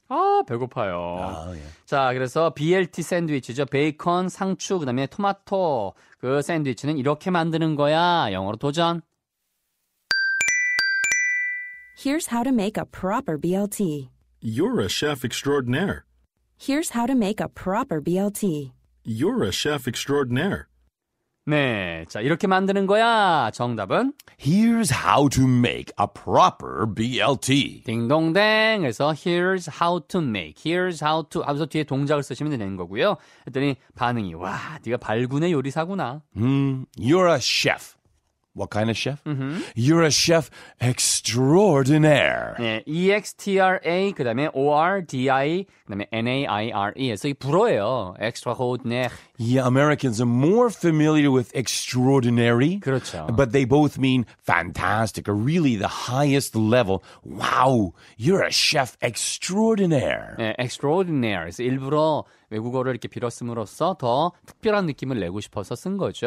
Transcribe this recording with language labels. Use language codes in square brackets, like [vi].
[ko] 아, 배고파요. [en] Yeah. [ko] 자, 그래서 BLT 샌드위치죠. 베이컨, 상추, 그다음에 토마토. 그 샌드위치는 이렇게 만드는 거야. 영어로 도전. [en] Here's how to make a proper BLT. You're a chef extraordinaire. Here's how to make a proper BLT. You're a chef extraordinaire. [ko] 네, 자, 이렇게 만드는 거야. 정답은? [en] Here's how to make a proper BLT. [ko] 딩동댕. 그래서 [en] here's how to make. Here's how to. [ko] 앞서 뒤에 동작을 쓰시면 되는 거고요. 그랬더니 반응이, 와, 네가 발군의 요리사구나. [en] You're a chef. What kind of chef? Mm-hmm. You're a chef extraordinaire. [ko] 네, E-X-T-R-A, 그 다음에 O-R-D-I, 그 다음에 N-A-I-R-E. 그래서 불어예요. Extraordinaire. [en] Yeah, Americans are more familiar with extraordinary. [ko] 그렇죠. [en] But they both mean fantastic, or really the highest level. Wow, you're a chef extraordinaire. [ko] 네, extraordinaire. 그래서 일부러 외국어를 이렇게 빌었음으로써 더 특별한 느낌을 내고 싶어서 쓴 거죠.